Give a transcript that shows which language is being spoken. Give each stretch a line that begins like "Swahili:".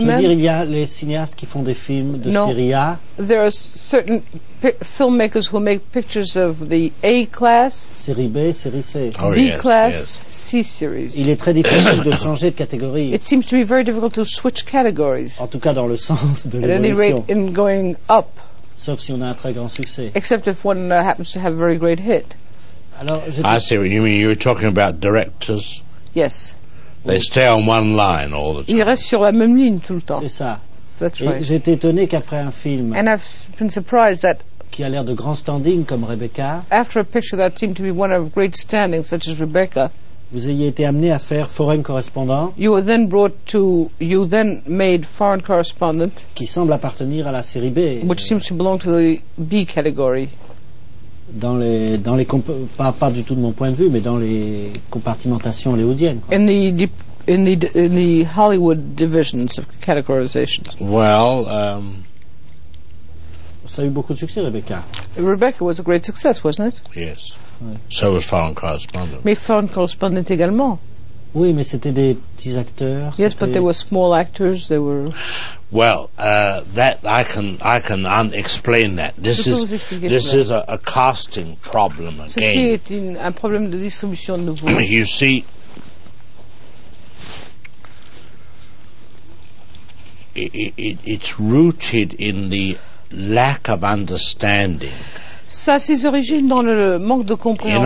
French: même. Je veux dire, il y a les cinéastes qui font des films de série A.
English: There are certain filmmakers who make pictures of the A class.
French: Série B, série C. Oh,
English: B class, yes. C series.
French: Il est très difficile de changer de catégorie.
English: It seems to be very difficult to switch categories.
French: En tout cas, dans le sens de l'évolution.
English: At any rate, in going up.
French: Sauf si on a un très grand succès.
English: Except if one happens to have a very great hit.
French: Alors,
English: I see what you mean. You were talking about directors. Yes. They stay on one line all the time.
French: Ils restent sur la même ligne tout le temps. C'est ça.
English: That's
French: et
English: right.
French: J'ai été étonné qu'après un film
English: and I've been surprised that
French: qui a l'air de grand standing comme Rebecca,
English: after a picture that seemed to be one of great standing such as Rebecca,
French: vous ayez été amené à faire Foreign Correspondent,
English: you were then brought to, you then made Foreign Correspondent,
French: qui semble appartenir à la série B,
English: which seems to belong to the B category.
French: Dans les pas du tout de mon point de vue, mais dans les compartimentations hollywoodiennes.
English: In the in the Hollywood divisions of categorization. Well,
French: ça a eu beaucoup de succès, Rebecca.
English: Rebecca was a great success, wasn't it? Yes.
French: Ouais.
English: So was Foreign Correspondent.
French: Mais Foreign Correspondent également. Oui, mais c'était des petits acteurs.
English: Yes, but they were small actors. They were. Well, that I can unexplain that. This is a casting problem again.
French: Ceci est un problème de distribution de voix.
English: You see, it's rooted in the lack of understanding.
French: Ça a ses origines dans le manque de compréhension.